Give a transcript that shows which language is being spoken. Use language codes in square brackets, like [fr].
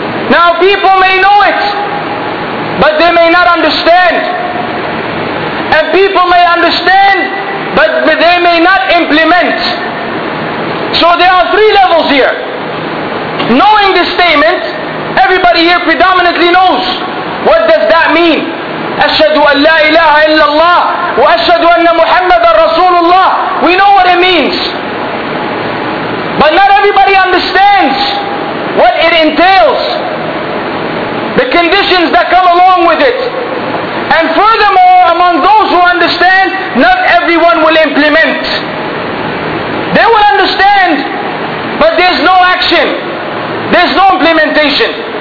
[en] Now people may know it, but they may not understand. And people may understand, but they may not implement. So there are three levels here. Knowing this statement, everybody here predominantly knows. What does that mean? [ar] أشهد أن لا إله إلا الله وأشهد أن محمد رسول الله. [en] We know what it means. But not everybody understands what it entails, the conditions that come along with it. And furthermore, among those who understand, not everyone will implement. They will understand, but there's no action. There's no implementation.